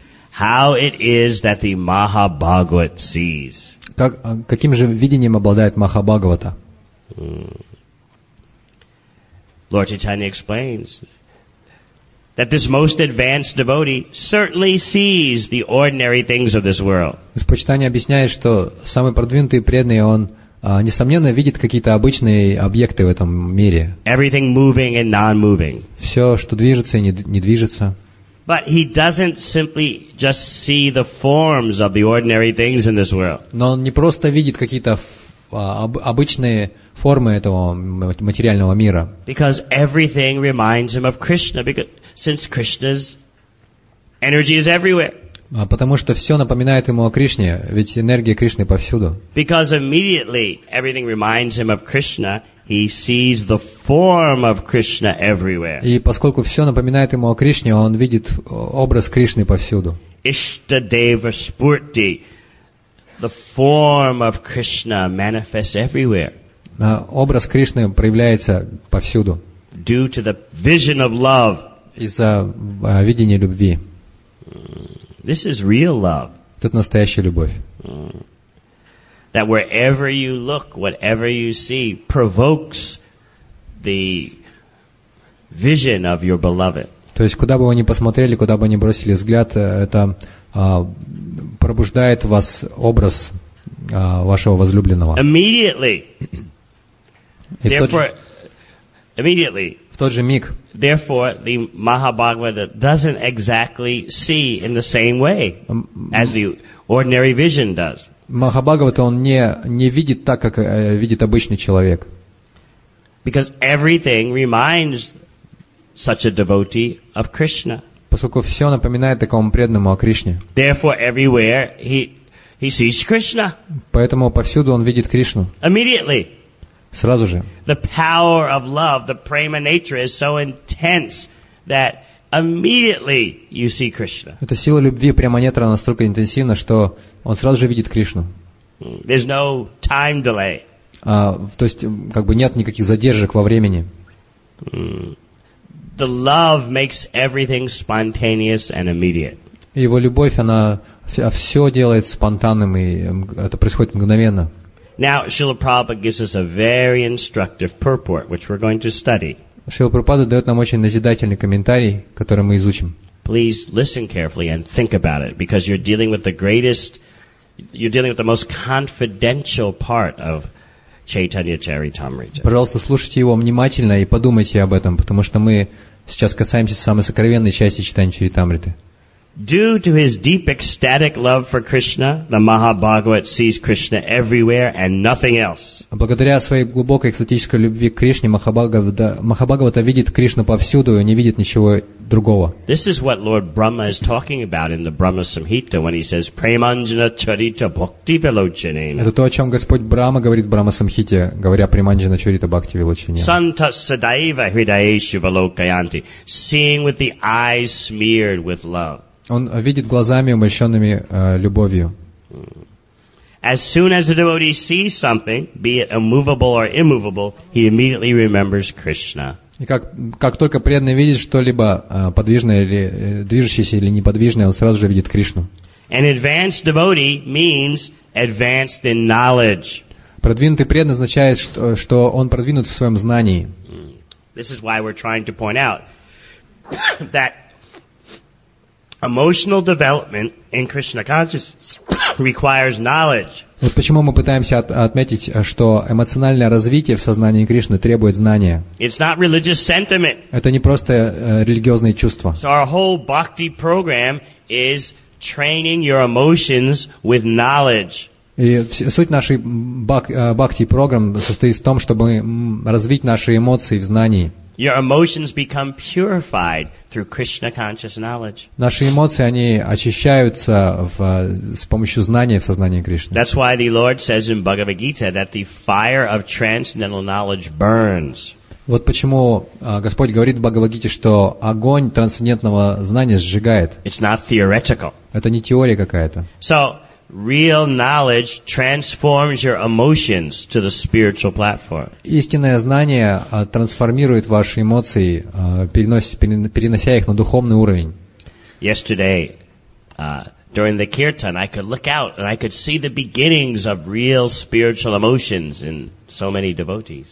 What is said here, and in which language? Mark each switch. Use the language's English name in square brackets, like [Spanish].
[English] How it is that the Mahabhagavat sees. [Russian] Каким же видением обладает Махабхагавата? [English] Lord Chaitanya explains that this most advanced devotee certainly sees the ordinary things of this world. [Russian] Господь Чайтанья объясняет, что самый продвинутый преданный, он, несомненно, видит какие-то обычные объекты в этом мире. [English] Everything moving and non-moving. [Russian] Все, что движется и не движется. [English] But he doesn't simply just see the forms of the ordinary things in this world. [Russian] Но он не просто видит какие-то обычные формы этого материального мира. [English] Because everything reminds him of Krishna, because since Krishna's energy is everywhere. [Russian] Потому что все напоминает ему о Кришне, ведь энергия Кришны повсюду. [English] Because immediately everything reminds him of Krishna, he sees the form of Krishna everywhere. [Russian] И поскольку все напоминает ему о Кришне, он видит образ Кришны повсюду. [Sanskrit] Ishta Deva Spurti, [English] the form of Krishna manifests everywhere. [Russian] Образ Кришны проявляется повсюду. [English] Due to the vision of love. [Russian] Из-за видения любви. [English] This is real love. [Russian] Тут настоящая любовь. [English] That wherever you look, whatever you see, provokes the vision of your beloved. [Russian] То есть, куда бы вы ни посмотрели, куда бы ни бросили взгляд, это пробуждает в вас образ вашего возлюбленного. [English] Immediately. Immediately. [Russian] В тот же миг. [English] Therefore, the Mahabhagavata doesn't exactly see in the same way as the ordinary vision does. [Russian] Махабхагавата он не видит так, как видит обычный человек. [English] Because everything reminds such a devotee of Krishna. [Russian] Поскольку все напоминает такому преданному о Кришне. [English] Therefore, everywhere he sees Krishna. [Russian] Поэтому повсюду он видит Кришну. [English] Immediately. [Russian] Сразу же. [English] The power of love, the prema nature is so intense that immediately you see Krishna. [Russian] Эта сила любви прямо нетра настолько интенсивна, что он сразу же видит Кришну. [English] There's no time delay. [Russian] То есть как бы нет никаких задержек во времени. [English] The love makes everything spontaneous and immediate. [Russian] Его любовь, она все делает спонтанным, и это происходит мгновенно. [English] Now Srila Prabhupada gives us a very instructive purport, which we're going to study. [Russian] Шрила Прабхупада дает нам очень назидательный комментарий, который мы изучим. [English] Please listen carefully and think about it, because you're dealing with the greatest, you're dealing with the most confidential part of Chaitanya Charitamrita. [Russian] Пожалуйста, слушайте его внимательно и подумайте об этом, потому что мы сейчас касаемся самой сокровенной части Чайтанья Чаритамриты. [English] Due to his deep ecstatic love for Krishna, the Mahabhagavat sees Krishna everywhere and nothing else. [Russian] Благодаря своей глубокой экстатической любви к Кришне, Махабхагавата видит Кришну повсюду и не видит ничего другого. [English] This is what Lord Brahma is talking about in the Brahma Samhita when he says [Sanskrit] Premanjana Charita Bhakti Vilochane. [Russian] Это то, о чем Господь Брама говорит в Брама Самхите, говоря [Sanskrit] Преманджана Чарита Бхакти Вилочине. Santa Sadaiva Hridayeshu Valokayanti, [English] seeing with the eyes smeared with love. [Russian] Он видит глазами, умощенными любовью. [English] As soon as a devotee sees something, be it immovable or immovable, he immediately remembers Krishna. [Russian] И как только преданный видит что-либо подвижное или движущееся или неподвижное, он сразу же видит Кришну. [English] An advanced devotee means advanced in knowledge. [Russian] Продвинутый преданный означает, что он продвинут в своем знании. [English] This is why we're trying to point out that emotional development in Krishna consciousness requires knowledge. [Russian] Вот почему мы пытаемся отметить, что эмоциональное развитие в сознании Кришны требует знания. [English] It's not religious sentiment. [Russian] Это не просто религиозные чувства. [English] So our whole bhakti program is training your emotions with knowledge. [Russian] И суть нашей бхакти программ состоит в том, чтобы развить наши эмоции в знании. [English] Your emotions become purified through Krishna conscious knowledge. [Russian] Наши эмоции, они очищаются с помощью знания в сознании Кришны. [English] That's why the Lord says in Bhagavad Gita that the fire of transcendental knowledge burns. [Russian] Вот почему Господь говорит в Бхагавад Гите, что огонь трансцендентного знания сжигает. [English] It's not theoretical. [Russian] Это не теория какая-то. [English] So, real knowledge transforms your emotions to the spiritual platform. [Russian] Истинное знание трансформирует ваши эмоции, перенося их на духовный уровень. [English] Yesterday, during the kirtan, I could look out and I could see the beginnings of real spiritual emotions in so many devotees.